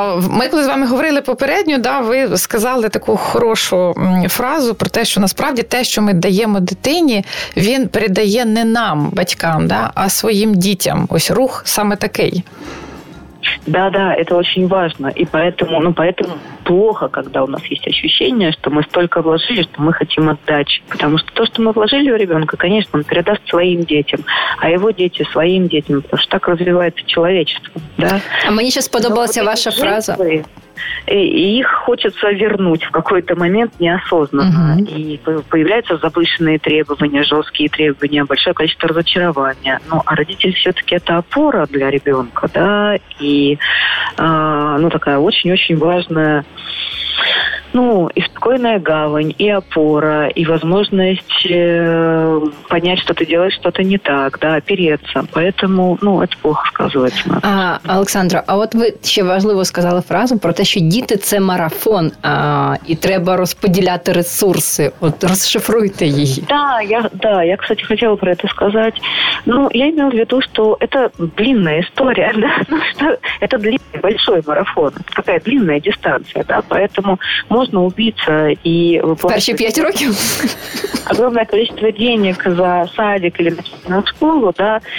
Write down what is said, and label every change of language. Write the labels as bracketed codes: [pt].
[uk] Ми коли з вами говорили попередньо, да, ви сказали таку хорошу фразу про те, що насправді те, що ми даємо дитині, він передає не нам, батькам, да, а своїм дітям. Ось рух саме такий. [ru] Да, это очень важно. И поэтому, ну, поэтому плохо, когда у нас есть ощущение, что мы столько вложили, что мы хотим отдачи. Потому что то, что мы вложили у ребенка, конечно, он передаст своим детям, а его дети своим детям, потому что так развивается человечество. Да? А мне сейчас подобалась ваша фраза. И их хочется вернуть в какой-то момент неосознанно. И появляются завышенные требования, жесткие требования, большое количество разочарования. Ну, а родитель все-таки это опора для ребенка, да, и ну, такая очень-очень важная, ну, и спокойная гавань, и опора, и возможность понять, что ты делаешь что-то не так, да, опереться. Поэтому, ну, это плохо сказывается. [uk] Александра, [ru] а вот вы еще [uk] важливо сказали фразу про те, що діти – це марафон, і треба розподіляти ресурси. От розшифруйте її. Я, кстати, хотіла про це сказати. [ru] Ну, я имела в виду, что это длинная история, да, ну, что это длинный, большой марафон, какая длинная дистанция, да, поэтому, можно убиться и выплатить... В первые 5 років? Огромное количество денег за садик или на школу, да.